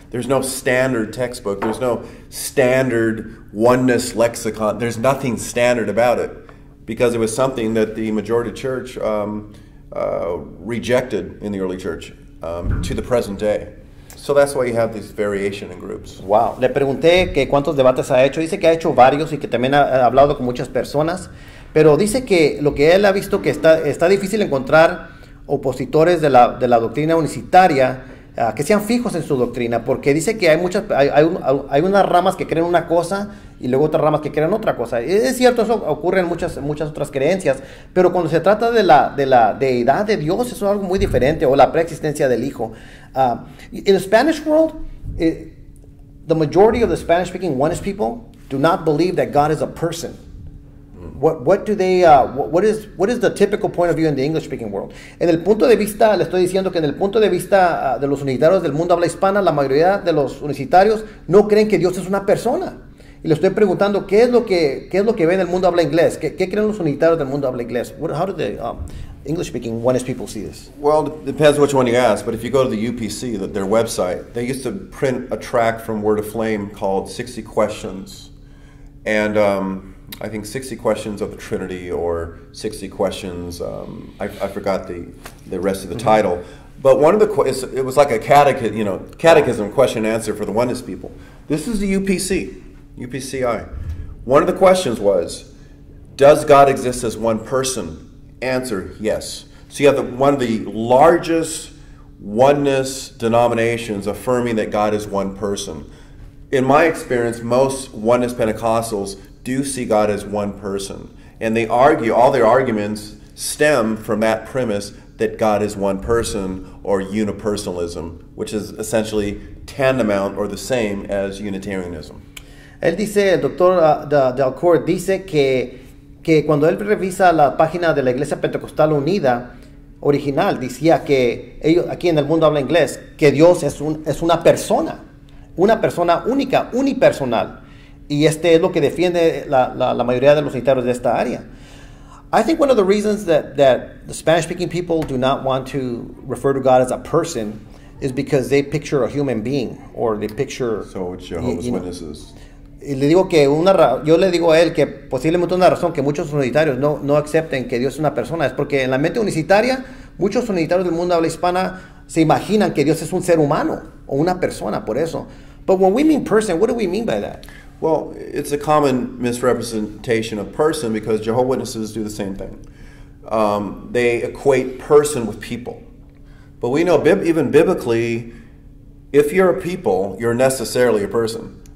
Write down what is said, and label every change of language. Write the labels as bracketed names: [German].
[English] There's no standard textbook. There's no standard Oneness lexicon. There's nothing standard about it, because it was something that the majority of church rejected in the early church to the present day. So that's why you have this variation in groups. [Spanish] Wow. Le pregunté que cuántos debates ha hecho. Dice que ha hecho varios y que también ha hablado con muchas personas. Pero dice que lo que él ha visto que está difícil encontrar opositores de la doctrina unicitaria que sean fijos en su doctrina. Porque dice que hay unas ramas que creen una cosa y luego otras ramas que creen otra cosa. Es cierto, eso ocurre en muchas otras creencias. Pero cuando se trata de la deidad de Dios, eso es algo muy diferente. O la preexistencia del Hijo. [English] In the Spanish world, the majority of the Spanish-speaking Oneness people do not believe that God is a person. What is the typical point of view in the English-speaking world? [Spanish] En el punto de vista, le estoy diciendo que en el punto de vista de los unitarios del mundo habla hispana, la mayoría de los unicitarios no creen que Dios es una persona. Y le estoy preguntando qué es lo que ve en el mundo habla inglés. ¿Qué creen los unitarios del mundo habla inglés? [English] How do they English-speaking Oneness people see this? Well, it depends which one you ask, but if you go to the UPC, their website, they used to print a track from Word of Flame called 60 Questions, and I think 60 Questions of the Trinity or 60 Questions, I forgot the rest of the title, but one of the it was like a catechism, you know, catechism question and answer for the Oneness people. This is the UPC, UPCI. One of the questions was, does God exist as one person? Answer, yes. So you have one of the largest Oneness denominations affirming that God is one person. In my experience, most Oneness Pentecostals do see God as one person. And they argue, all their arguments stem from that premise that God is one person, or unipersonalism, which is essentially tantamount or the same as Unitarianism. [Spanish] Él dice, el doctor Dalcour dice que cuando él revisa la página de la Iglesia Pentecostal Unida original, decía que ellos aquí en el mundo habla inglés, que Dios es una persona única, unipersonal. Y este es lo que defiende la mayoría de los unitarios de esta área. [English] I think one of the reasons that the Spanish-speaking people do not want to refer to God as a person is because they picture a human being, or they picture... So it's Jehovah's Witnesses. [Spanish] Y le digo que yo le digo a él que posiblemente una razón que muchos unitarios no acepten que Dios es una persona es porque en la mente unitaria, muchos unitarios del mundo habla hispana se imaginan que Dios es un ser humano o una persona, por eso. [English] But when we mean person, what do we mean by that? Well, it's a common misrepresentation of person because Jehovah's Witnesses do the same thing. They equate person with people. But we know, even biblically, if you're a people, you're necessarily a person.